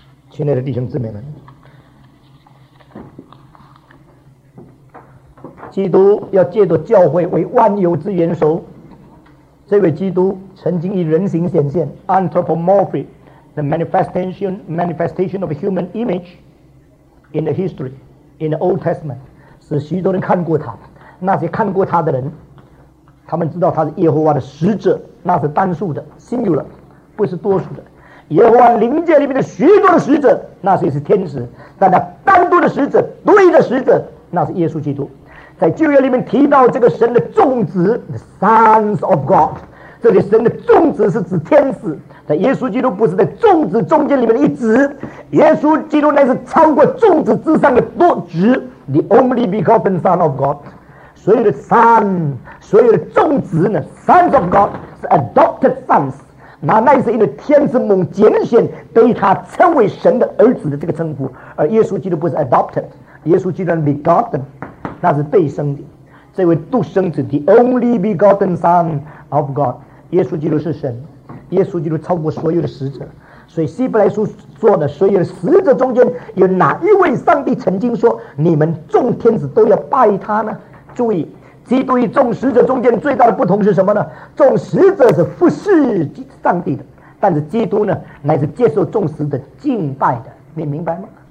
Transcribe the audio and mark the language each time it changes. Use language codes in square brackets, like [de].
[zh] 亲爱的弟兄姊妹们，基督要借着教会为万有之元首，这位基督曾经以人形显现 Anthropomorphic。 [en] The manifestation of a human image in the history, in the Old Testament, [zh] 使许多人看过他。那些看过他的人，他们知道他是耶和华的使者，那是单数的 singular， 不是多数的。耶和华灵界里面的许多的使者，那些是天使，但那单独的使者、独一的使者，那是耶稣基督。在旧约里面提到这个神的众子 ， [en] the sons of God， [zh] 这里神的众子是指天使。在耶稣基督不是在众子中间里面的一子，耶稣基督乃是超过众子之上的多子 ， [en] the only begotten Son of God。 [zh] 所有的 son， 所有的众子呢 ， [en] sons of God [zh] 是 [en] adopted sons。 [zh] 那乃是因为天使们拣选被他称为神的儿子的这个称呼，而耶稣基督不是 adopted， 耶稣基督 begotten， 那是被生的。这位独生子 ， [en] the only begotten Son of God， [zh] 耶稣基督是神。耶稣基督超过所有的使者，所以希伯来书说的所有的使者中间有哪一位上帝曾经说你们众天使都要拜他呢？注意，基督与众使者中间最大的不同是什么呢？众使者是服侍上帝的，但是基督呢乃是接受众使者敬拜的，你明白吗？